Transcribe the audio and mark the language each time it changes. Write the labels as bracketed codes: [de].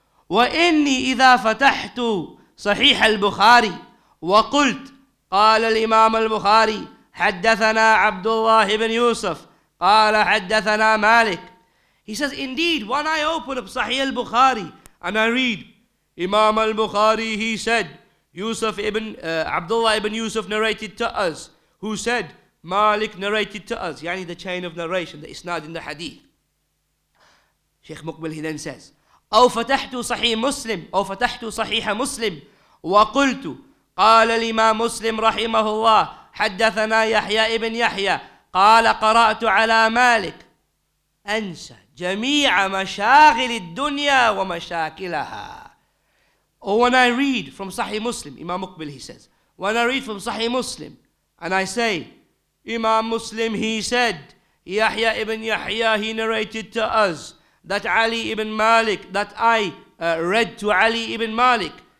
[ar] وَإِنِّي إِذَا فَتَحْتُ صَحِيحَ الْبُخَارِي وَقُلْتُ قَالَ الْإِمَامُ الْبُخَارِي حَدَّثَنَا عَبْدُ اللَّهِ بْنُ يُوسُفَ قَالَ حَدَّثَنَا مَالِكَ [en] He says, indeed, when I open up Sahih al-Bukhari and I read, Imam al-Bukhari, he said, Yusuf ibn Abdullah ibn Yusuf narrated to us, who said, Malik narrated to us, yani the chain of narration, the isnad in the hadith. Sheikh Muqbil, he then says, [ar] أو فتحت صحيح مسلم, أو فتحت صحيح مسلم, وقلت, قال الإمام مسلم رحمه الله, حدثنا يحيى ابن يحيى, قال قرأت على مالك, أنسى. جميع مشاغل الدنيا ومشاكلها. [en] Or when I read from Sahih Muslim, Imam Muqbil, he says, when I read from Sahih Muslim, and I say, Imam Muslim, he said, Yahya ibn Yahya, he narrated to us, that Ali ibn Malik, that I read to Ali ibn Malik.